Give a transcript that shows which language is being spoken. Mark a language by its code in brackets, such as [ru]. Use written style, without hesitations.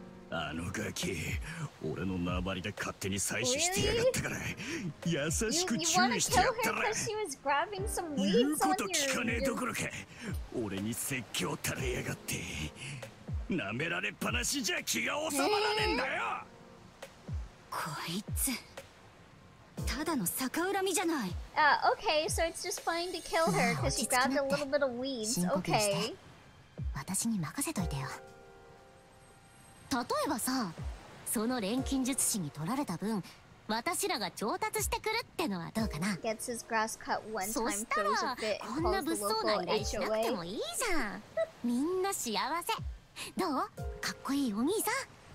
[ja] あのガキ、俺の縄張りで勝手に採取してやがったから、優しく注意してやったら、言うこと聞かねえどころか、俺に説教垂れやがって、舐められっぱなしじゃ気が収まらねえんだよ。こいつ、たただの逆恨みじゃない。 [en] Okay, so it's just fine to kill her because she grabbed a little bit of weeds. Okay. [ja] 私に任せといてよ。例えばさ、その錬金術師に取られた分、私らが調達してくるってのはどうかな。 [en] Gets his grass cut one time. [ja] そしたらこんな物騒な依頼しなくてもいいじゃん。みんな幸せ。どう？かっこいいお兄さん。